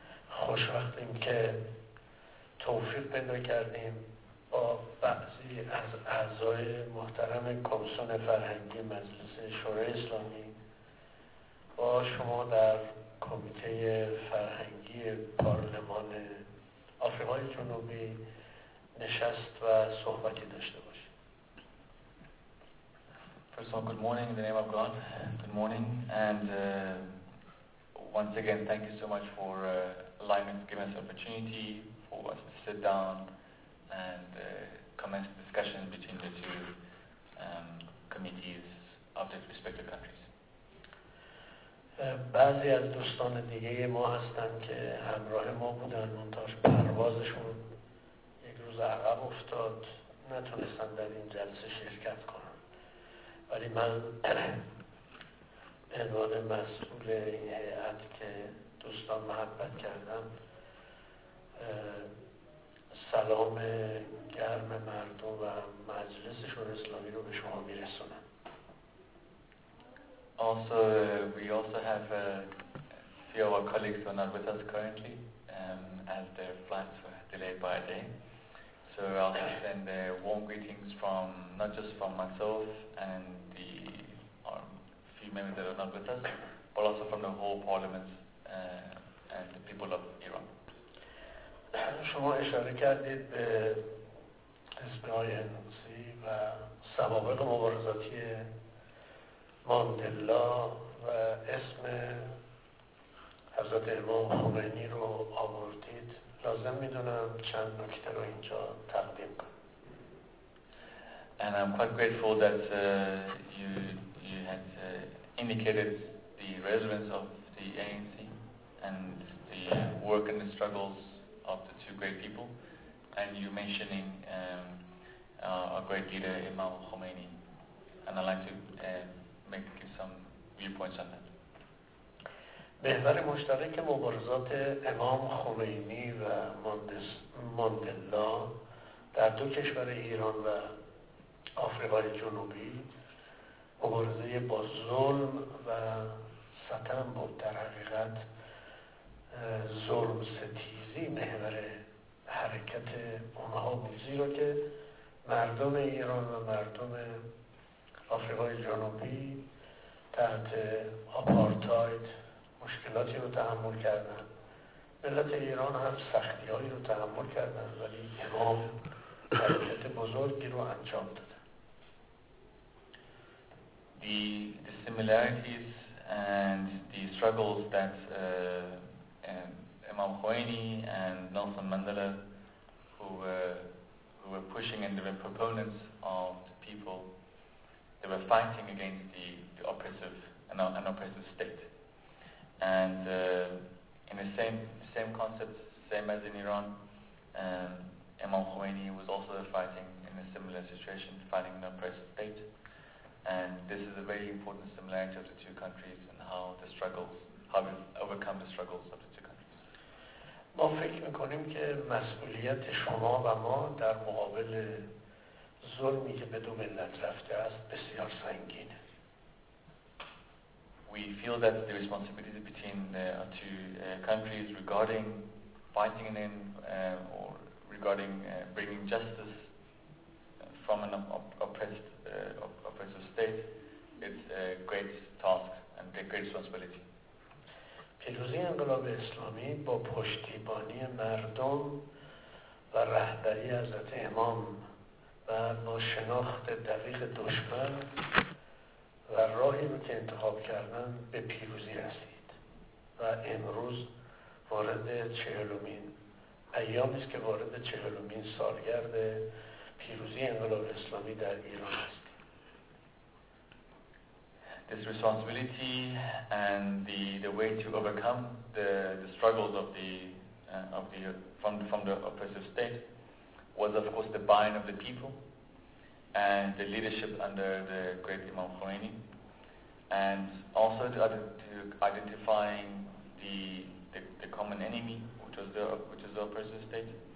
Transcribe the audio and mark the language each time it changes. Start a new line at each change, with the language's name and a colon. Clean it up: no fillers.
Persian: خوش وقتیم که توفیق پیدا کردیم با بعضی از اعضای محترم کمیسیون فرهنگی مجلس شورای اسلامی با شما در کمیته فرهنگی پارلمان آفریقای جنوبی نشست و صحبتی داشته باشیم.
English: First of all, good morning in the name of God. Good morning, and once again, thank you so much for giving us the opportunity for us to sit down and commence discussions between the two committees of the respective countries.
Persian: بعضی از دوستان دیگه ما هستند که همراه ما بودند. منتهی پروازشون یک روز عقب افتاد، نتونستند در این جلسه شرکت کنند. ولی من به عنوان مسئول این هیئت که دوستان محبت کردم سلام گرم مردم و مجلس شورای اسلامی رو به شما میرسونم.
English: Also we also have a few of our colleagues who are not with us currently as their flights were delayed by a day. So I'll send warm greetings from not just from myself and the few members that are not with us, but also from the whole parliament and the people of Iran.
Persian: شما اشاره کردید به اسمهای هنوزی و سوابق مبارزاتی ماندلا و اسم حضرت امام خمینی رو آوردید. لازم میدونم چند نکته رو اینجا تقدیم کنم.
English: And I'm quite grateful that you had indicated the resonance of the ANC and the work and the struggles of the two great people and you mentioning a great leader Imam Khomeini and I'd like to give some viewpoints on that.
Persian: محور مشترک مبارزات امام خمینی و ماندلا در دو کشور ایران و آفریقای جنوبی مبارزه با ظلم و ستم بود. در حقیقت ظلم ستیزی محور حرکت اونها بود، زیرا که مردم ایران و مردم آفریقای جنوبی تحت آپارتاید مشکلاتی رو تحمل کردن، ملت ایران هم سختی هایی رو تحمل کردن، ولی امام حرکت بزرگی رو انجام دادن.
English: The similarities and the struggles that Imam Khomeini and Nelson Mandela who were pushing and they were proponents of the people, they were fighting against the oppressive an oppressive state. And in the same concept, same as in Iran, Imam Khomeini was also fighting in a similar situation, fighting an oppressive state. And this is a very important similarity of the two countries and how we've overcome the struggles of the two countries.
Persian: ما فکر میکنیم که مسئولیت شما و ما در مقابل ظلمی که به دو ملت رفته است بسیار سنگینه.
English: We feel that the responsibility between our two countries regarding fighting an end or regarding bringing justice from an oppressive state is a great task and a great responsibility.
Persian: پیروزی انقلاب اسلامی با پشتیبانی مردم و رهبری حضرت امام و با شناخت دقیق دشمن و راهی رو که انتخاب کردن به پیروزی رسید و امروز وارد چهلومین ایامی است که وارد چهلومین سالگرد پیروزی انقلاب اسلامی در ایران است.
English: This responsibility and the way to overcome the struggles of the from the oppressive state was of course the buying of the people and the leadership under the great Imam Khomeini, and also to identifying the common enemy, which is the oppressive state.